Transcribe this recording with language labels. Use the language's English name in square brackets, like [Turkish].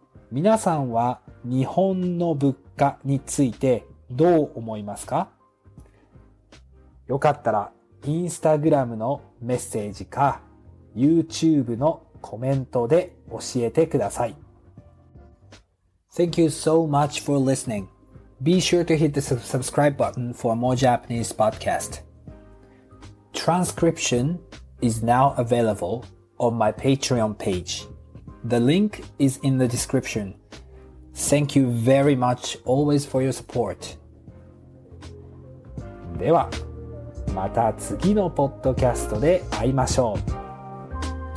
[Japanese] 皆さんは日本の物価についてどう思いますか？よかったらインスタグラムのメッセージか YouTube のコメントで教えてください。 [English] Thank you so much for listening. Be sure to hit the subscribe button for more Japanese podcast. Transcription is now available on my Patreon page. The link is in the description. Thank you very much always for your support. [Japanese] では、また次のポッドキャストで会いましょう。